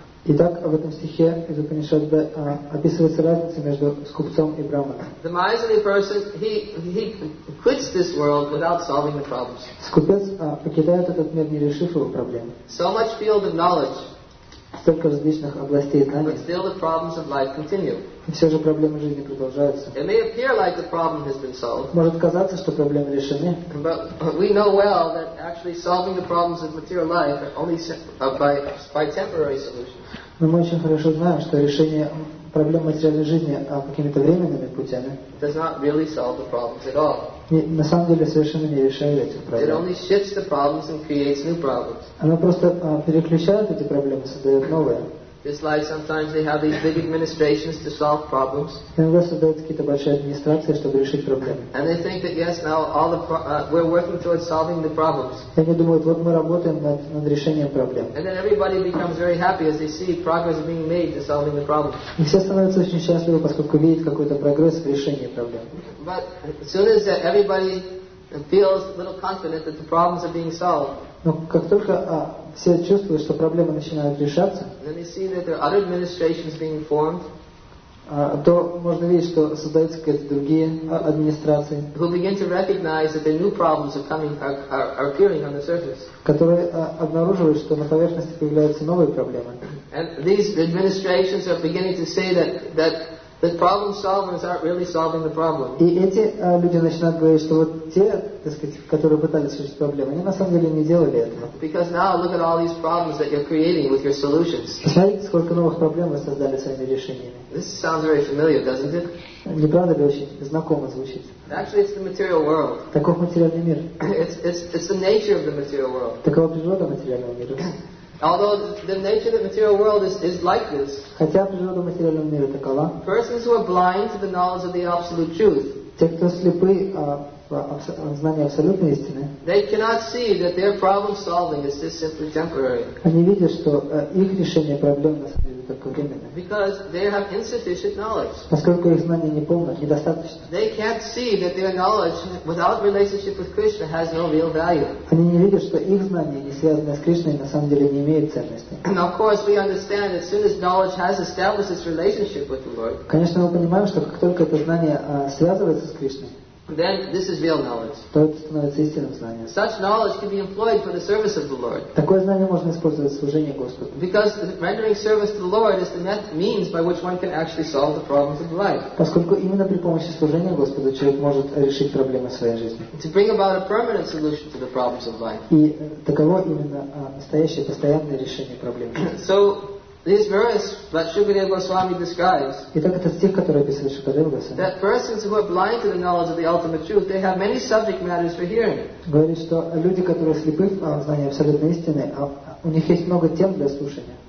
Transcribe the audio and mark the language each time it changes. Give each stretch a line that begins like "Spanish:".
Russian: Итак, в этом стихе из Упанишада описывается разница между скупцом и брахманом.
English: The miserly person he quits this world without solving the problems.
Russian: Скупец покидает этот мир, не решив его проблемы.
English: So much field of knowledge.
Russian: Столько различных областей знаний.
English: But still the problems of life continue.
Russian: Все же проблемы жизни продолжаются.
English: It may appear like the problem has been solved.
Russian: Может казаться, что проблемы решены.
English: But we know well that actually solving the problems of material life are only by temporary solutions.
Russian: Но мы очень хорошо знаем, что решение проблем материальной жизни какими-то временными путями.
English: Does not really solve the problems at all.
Russian: На самом деле совершенно не решает этих проблем.
English: It only shifts the problems and creates new problems.
Russian: Оно просто переключает эти проблемы, создает новые.
English: Just like sometimes they have these big administrations to solve problems.
Russian: Иногда создают какие-то большие администрации, чтобы решить проблемы.
English: And they think that yes, now all the we're working towards solving the problems.
Russian: И они думают, вот мы работаем над решением проблем.
English: And then everybody becomes very happy as they see progress being made to solving the problems.
Russian: И все становятся очень счастливы, поскольку видят какой-то прогресс в решении проблем.
English: But as soon as everybody feels a little confident that the problems are being solved.
Russian: Но как только все чувствуют, что проблемы начинают решаться,
English: then they see that there are other administrations being formed,
Russian: то можно видеть, что создаются какие-то другие администрации,
English: who begin to recognize that the new problems are appearing on the surface.
Russian: Которые обнаруживают, что на поверхности появляются новые проблемы.
English: And these administrations are beginning to say that the problem solvers aren't really solving the problem.
Russian: И эти люди начинают говорить, что вот те, так сказать, которые пытались решить проблемы, они на самом деле не делали этого.
English: Because now look at all these problems that you're creating with your solutions.
Russian: Смотрите, сколько новых проблем вы создали своими решениями.
English: This sounds very familiar, doesn't it?
Russian: Не правда ли, очень знакомо звучит?
English: Actually, it's the material world.
Russian: Таков материальный мир.
English: It's the nature of the material world.
Russian: Такова природа материального мира.
English: Although the nature of the material world is like this,
Russian: хотя природа материального мира такова,
English: persons who are blind to the knowledge of the absolute truth,
Russian: те, кто слепы в знании абсолютной истины,
English: they cannot see that their problem solving is just simply temporary.
Russian: Они видят, что их решение проблем на самом деле только временное.
English: Because they have insufficient knowledge.
Russian: Поскольку их знание неполно, недостаточно.
English: They can't see that their knowledge without relationship with Krishna has no real value.
Russian: Они не видят, что их знание, не связанное с Кришной, на самом деле не имеет ценности.
English: And of course we understand that as soon as knowledge has established its relationship with the Lord.
Russian: Конечно, мы понимаем, что как только это знание связывается с Кришной,
English: then this is real knowledge. Such knowledge can be employed for the service of the Lord.
Russian: Такое знание можно использовать в служении Господу.
English: Because rendering service to the Lord is the means by which one can actually solve the problems of life.
Russian: Поскольку именно при помощи служения Господу человек может решить проблемы своей жизни.
English: To bring about a permanent solution to the problems of life.
Russian: И таково именно настоящее постоянное решение проблем.
English: So this verse that Shukadeva Goswami describes.
Russian: Итак, этот стих, который описывает Шукадева Госвами.
English: That persons who are blind to the knowledge of the ultimate truth, they have many subject matters for hearing.
Russian: Говорит, что люди, которые слепы в знании абсолютной истины, у них есть много тем для слушания.